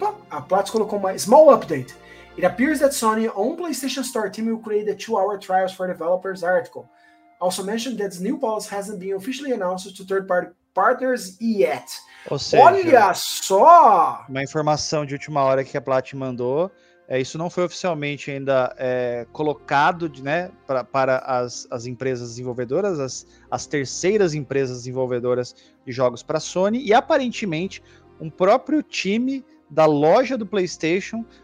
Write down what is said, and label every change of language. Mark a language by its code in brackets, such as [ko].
[pt] A Platts colocou uma [en] small update. It appears that Sony own PlayStation Store team will create a 2-hour trials for developers article. Also mentioned that the new policy hasn't been officially announced to third-party partners yet. [pt] Ou seja, olha só! Uma informação de última hora que a Plat mandou. Isso não foi oficialmente ainda colocado, né, para as empresas desenvolvedoras, as terceiras empresas desenvolvedoras de jogos para a Sony. E aparentemente, um próprio time da loja do PlayStation